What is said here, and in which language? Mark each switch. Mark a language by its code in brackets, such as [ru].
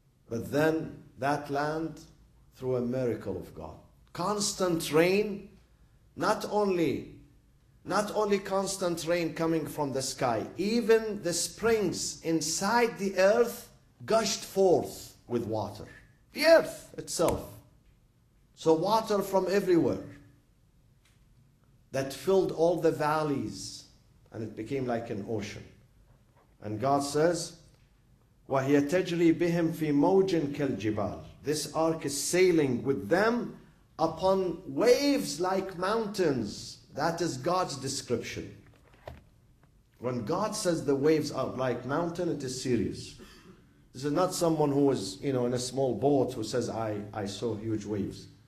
[en] But then that land, through a miracle of God, constant rain, not only constant rain coming from the sky, even the springs inside the earth gushed forth with water. The earth itself. So water from everywhere that filled all the valleys, and it became like an ocean. And God says, [ar] وَهِيَ تَجْرِي بِهِمْ فِي مَوْجٍ كَالْجِبَالِ. [en] This ark is sailing with them upon waves like mountains. That is God's description. When God says the waves are like mountain, it is serious. This is not someone who is, you know, in a small boat who says, I saw huge waves.